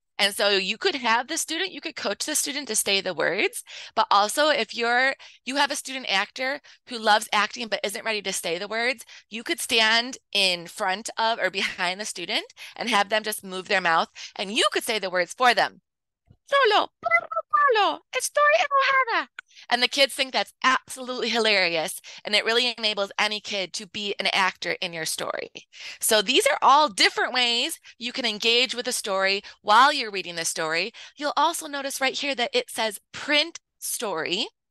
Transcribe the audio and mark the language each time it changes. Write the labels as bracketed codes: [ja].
[en] And so you could have the student, you could coach the student to say the words, but also if you have a student actor who loves acting but isn't ready to say the words, you could stand in front of or behind the student and have them just move their mouth and you could say the words for them. [es] Solo, Pablo, estoy enojada. [en] And the kids think that's absolutely hilarious, and it really enables any kid to be an actor in your story. So these are all different ways you can engage with a story while you're reading the story. You'll also notice right here that it says print story.